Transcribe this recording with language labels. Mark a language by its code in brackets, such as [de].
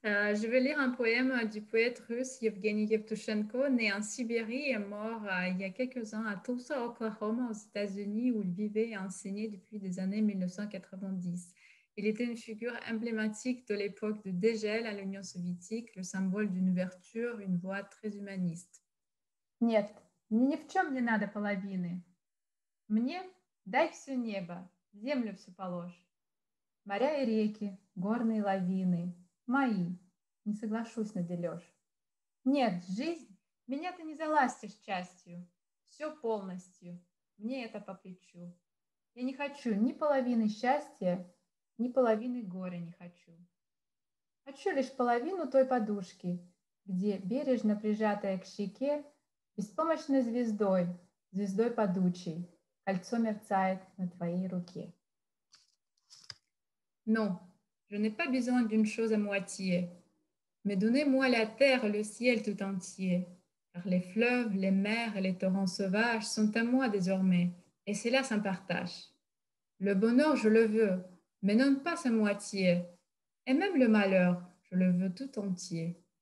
[fr] Je vais lire un poème du poète russe Yevgeny Yevtushenko, né en Sibérie et mort il y a quelques ans à Tulsa, Oklahoma, aux États-Unis, où il vivait et enseignait depuis les années 1990. Il était une figure emblématique de l'époque de dégel à l'Union soviétique, le symbole d'une ouverture, une voie très humaniste. [ru] Нет, мне ни в чем не надо половины. Мне дай все небо, землю всю положь. Моря и реки, горные лавины, мои, не соглашусь на дележ. Нет, жизнь, меня ты не заластишь частью, все полностью, мне это по плечу. Я не хочу ни половины счастья, ни половины горя не хочу. Хочу лишь половину той подушки, где, бережно прижатая к щеке, беспомощной звездой, звездой падучей, кольцо мерцает на твоей руке. [fr] Non, je n'ai pas besoin d'une chose à moitié, mais donnez-moi la terre, le ciel tout entier, car les fleuves, les mers et les torrents sauvages sont à moi désormais, et c'est là sans partage. Le bonheur, je le veux, mais non pas sa moitié, et même le malheur, je le veux tout entier.